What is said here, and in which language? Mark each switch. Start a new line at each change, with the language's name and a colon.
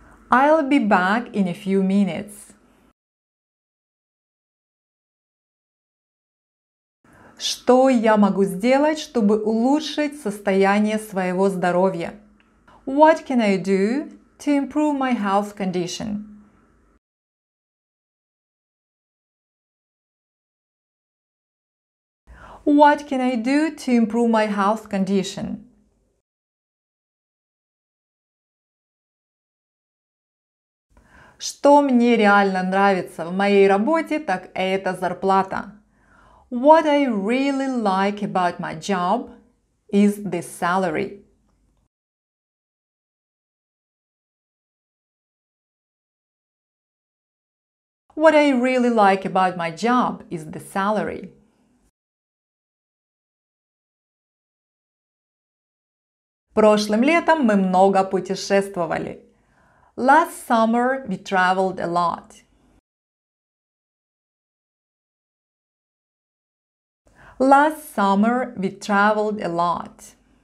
English: I'll be back in a few minutes.
Russian: Что я могу сделать, чтобы улучшить состояние своего здоровья?
English: What can I do to improve my health condition? What can I do to improve my health condition?
Russian: Что мне реально нравится в моей работе, так это зарплата.
English: What I really like about my job is the salary. What I really like about my job is the salary.
Russian: Прошлым летом мы много путешествовали.
English: Last summer we traveled a lot. Last summer we traveled a lot.